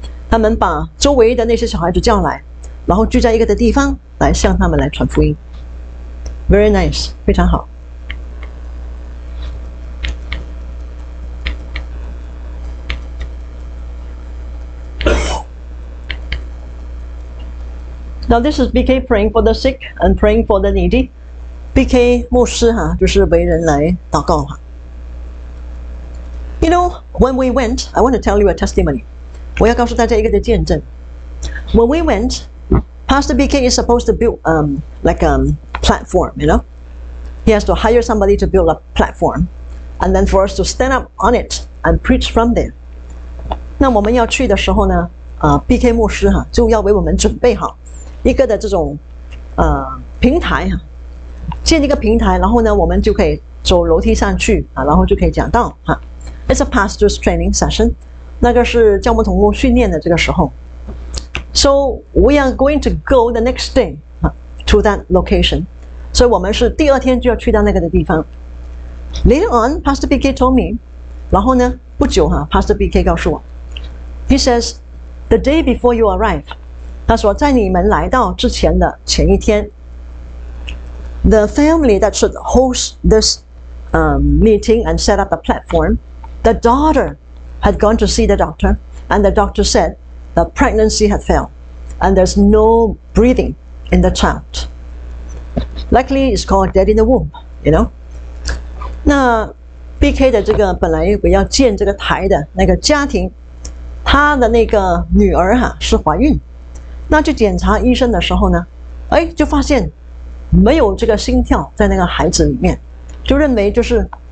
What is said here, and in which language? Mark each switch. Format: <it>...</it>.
<zh>他们把周围的那些小孩子叫来，然后聚在一个的地方，来向他们来传福音。</zh> <en>Very nice,</en> <zh>非常好。</zh> <en>Now this is BK praying for the sick and praying for the needy.</en> <zh>BK 牧师哈，就是为人来祷告哈。</zh> <en>You know, when we went, I want to tell you a testimony.</en> <zh>我要告诉大家一个的见证。</zh> <en>When we went, Pastor BK is supposed to build platform. You know, he has to hire somebody to build a platform, and then for us to stand up on it and preach from there.</en> <zh>那我们要去的时候呢，BK 牧师哈就要为我们准备好一个的这种平台哈。建一个平台，然后呢，我们就可以走楼梯上去啊，然后就可以讲道哈。</zh> <en>It's a pastor's training session.</en> <zh>那个是教牧同工训练的这个时候。</zh> <en>So we are going to go the next day to that location.</en> <zh>所以我们是第二天就要去到那个的地方。</zh> <en>Later on, Pastor BK told me.</en> <zh>然后呢，不久哈 ，Pastor BK 告诉我</zh> <en>，He says the day before you arrive.</en> <zh>他说在你们来到之前的前一天。</zh> <en>The family that should host this meeting and set up the platform, the daughter had gone to see the doctor, and the doctor said the pregnancy had failed, and there's no breathing in the child. Likely it's called dead in the womb, you know.</en> <zh>那 BK 的这个本来我要建这个台的那个家庭，他的那个女儿哈是怀孕，那去检查医生的时候呢，哎，就发现。没有这个心跳在那个孩子里面，就认为就是</zh>